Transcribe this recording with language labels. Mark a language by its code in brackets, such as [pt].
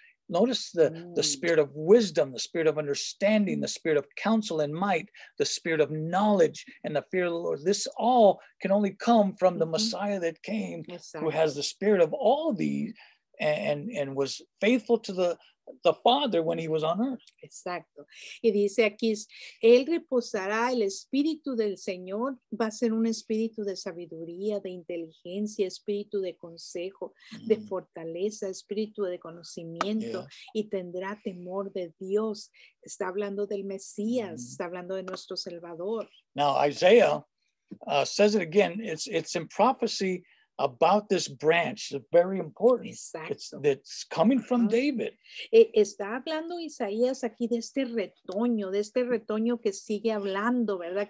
[en] Notice the spirit of wisdom, the spirit of understanding, the spirit of counsel and might, the spirit of knowledge and the fear of the Lord. This all can only come from the Messiah that came, who has the spirit of all these and was faithful to the Father when he was on earth. [es] Exacto. Y dice aquí, él reposará el espíritu del Señor, va a ser un espíritu de sabiduría, de inteligencia, espíritu de consejo, de fortaleza, espíritu de conocimiento, y tendrá temor de Dios. Está hablando del Mesías, está hablando de nuestro Salvador. [en] Now Isaiah says it again, it's in prophecy about this branch, it's very important. [es] Exacto. [en] It's coming from David. [es] Está hablando Isaías aquí de este retoño que sigue hablando, ¿verdad?